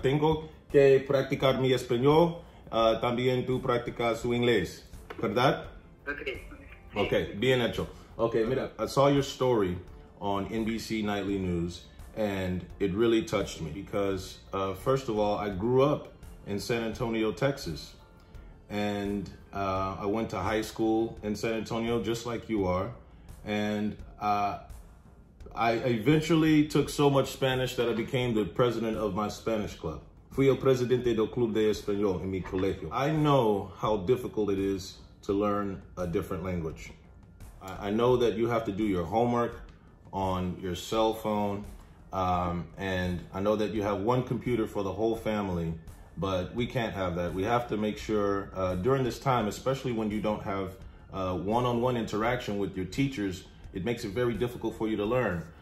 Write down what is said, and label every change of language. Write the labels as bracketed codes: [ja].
[es] Tengo que practicar mi español. También tú practicas su inglés, ¿verdad? [en] Okay. [es] Okay, bien hecho. [en] Okay, [es] mira, [en] I saw your story on NBC Nightly News, and it really touched me because, first of all, I grew up in San Antonio, Texas. And I went to high school in San Antonio, just like you are. And I eventually took so much Spanish that I became the president of my Spanish club. [es] Fui el presidente del club de español en mi colegio. [en] I know how difficult it is to learn a different language. I know that you have to do your homework on your cell phone. And I know that you have one computer for the whole family. But we can't have that. We have to make sure during this time, especially when you don't have one-on-one interaction with your teachers, it makes it very difficult for you to learn.